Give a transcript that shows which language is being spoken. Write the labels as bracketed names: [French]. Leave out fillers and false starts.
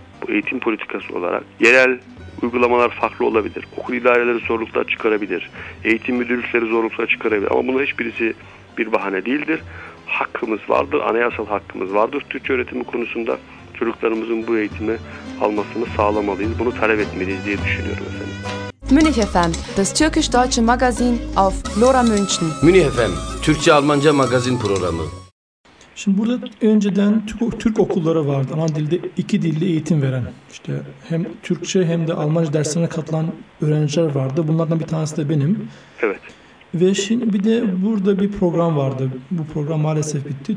[Turkish] Bu eğitim politikası olarak yerel uygulamalar farklı olabilir. Okul idareleri zorluklar çıkarabilir. Eğitim müdürlükleri zorluklar çıkarabilir. Ama bunun hiçbirisi bir bahane değildir. Hakkımız vardır, anayasal hakkımız vardır Türkçe öğretimi konusunda. Çocuklarımızın bu eğitimi almasını sağlamalıyız. Bunu talep etmeliyiz diye düşünüyorum efendim. [German] Münih FM, das Türkisch-Deutsche Magazin auf Lora München. [Turkish] Münih FM, Türkçe-Almanca magazin programı. Şimdi burada önceden Türk okulları vardı. Ana dilde iki dilli eğitim veren. İşte hem Türkçe hem de Almanca derslerine katılan öğrenciler vardı. Bunlardan bir tanesi de benim. Evet. Ve şimdi bir de burada bir program vardı. Bu program maalesef bitti.